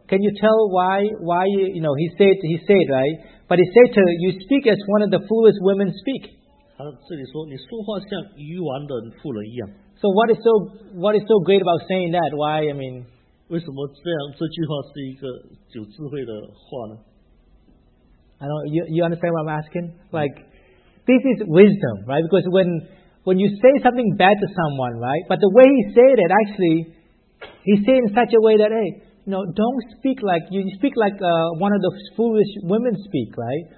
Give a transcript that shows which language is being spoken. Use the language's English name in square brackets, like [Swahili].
[English] Can you tell why you know he said right? But he said to her, you speak as one of the foolish women speak. [Chinese] 他这里说你说话像愚顽的妇人一样。 [English] So what is so great about saying that? Why, I mean, [Chinese] 为什么这句话是一个有智慧的话呢? [English] I don't, you understand what I'm asking? Like, this is wisdom, right? Because when you say something bad to someone, right? But the way he said it, actually, he said in such a way that, hey, you know, don't speak like, you speak like one of those foolish women speak, right?